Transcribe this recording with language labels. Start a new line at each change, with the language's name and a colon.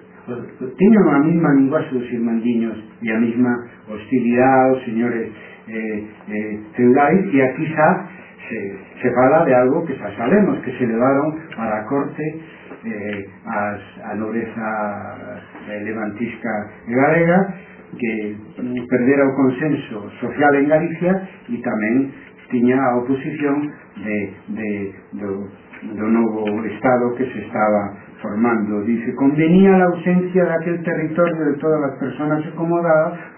Spanish: Tienen la misma linguaje los irmandiños y la misma hostilidad a los señores feudales, y aquí está.
Galician: Se fala de algo que xa sabemos, que se levaron
Spanish: a la corte
Galician: a nobreza levantisca galega, que perdera o consenso social en Galicia e tamén tiña a oposición do novo Estado que se estaba formando.
Spanish: Dice, convenía
Galician: a ausencia de aquel territorio de todas as personas acomodadas.